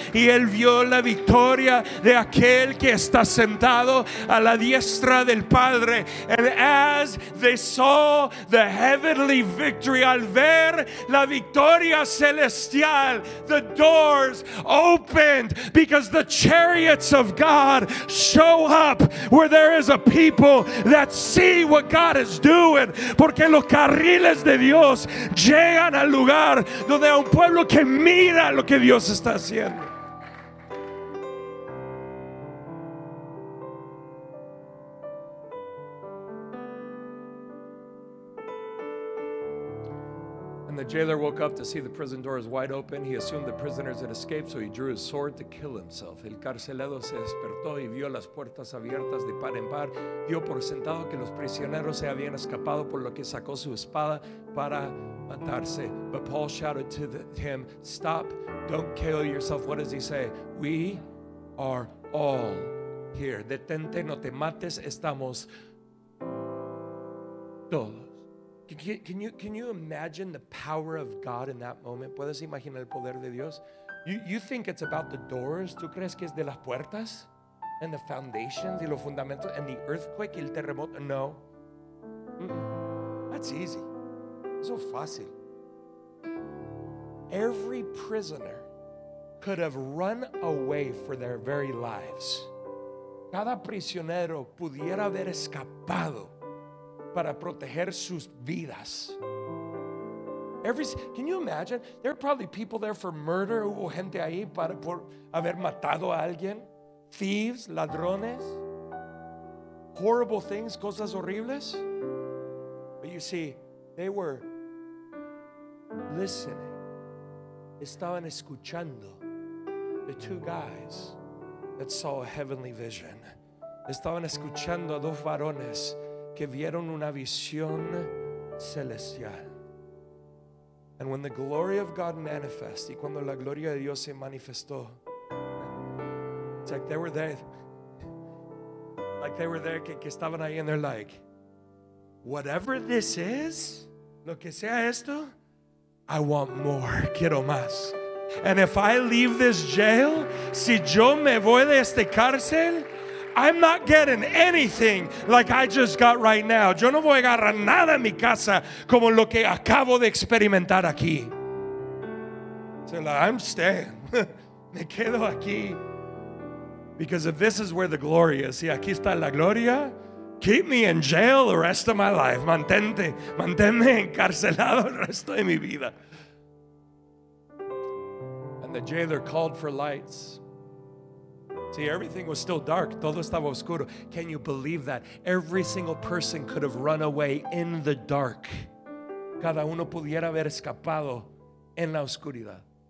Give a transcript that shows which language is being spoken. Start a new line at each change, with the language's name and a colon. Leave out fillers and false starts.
Spanish: Y él vio la victoria de aquel que está sentado a la diestra del Padre.
English: And as they saw the heavenly heavenly victory,
Spanish: al ver la victoria celestial,
English: the doors opened because the chariots of God show up where there is a people that see what God is doing.
Spanish: Porque los carriles de Dios llegan al lugar donde hay un pueblo que mira lo que Dios está haciendo.
English: And the jailer woke up to see the prison doors wide open. He assumed the prisoners had escaped, so he drew his sword to kill himself.
Spanish: El carcelero se despertó y vio las puertas abiertas de par en par. Dio por sentado que los prisioneros se habían escapado, por lo que sacó su espada para matarse.
English: But Paul shouted to him, "Stop, don't kill yourself." What does he say? "We are all here."
Spanish: Detente, no te mates, estamos todos.
English: Can you imagine the power of God in that moment?
Spanish: ¿Puedes imaginar el poder de Dios?
English: You think it's about the doors?
Spanish: ¿Tú crees que es de las puertas?
English: And the foundations
Spanish: y los fundamentos?
English: And the earthquake
Spanish: y el terremoto?
English: No. Mm-mm. That's easy. So fácil. Every prisoner could have run away for their very lives.
Spanish: Cada prisionero pudiera haber escapado para proteger sus vidas.
English: Can you imagine? There are probably people there for murder.
Spanish: Hubo gente ahí para por haber matado a alguien.
English: Thieves,
Spanish: ladrones.
English: Horrible things,
Spanish: cosas horribles.
English: But you see, they were listening.
Spanish: Estaban escuchando
English: the two guys that saw a heavenly vision.
Spanish: Estaban escuchando a dos varones que vieron una visión celestial.
English: And when the glory of God manifested,
Spanish: y cuando la gloria de Dios se manifestó,
English: it's like they were there,
Spanish: que estaban ahí,
English: and they're like, "Whatever this is,
Spanish: lo que sea esto,
English: I want more,
Spanish: quiero más.
English: And if I leave this jail,
Spanish: si yo me voy de este cárcel,
English: I'm not getting anything like I just got right now.
Spanish: Yo no voy a agarrar nada en mi casa como lo que acabo de experimentar aquí."
English: So I'm staying.
Spanish: Me quedo aquí.
English: Because if this is where the glory is,
Spanish: si aquí está la gloria,
English: keep me in jail the rest of my life.
Spanish: Manténme encarcelado el resto de mi vida.
English: And the jailer called for lights. See, everything was still dark.
Spanish: Todo estaba oscuro.
English: Can you believe that? Every single person could have run away in the dark.
Spanish: Cada uno pudiera haber escapado en la oscuridad.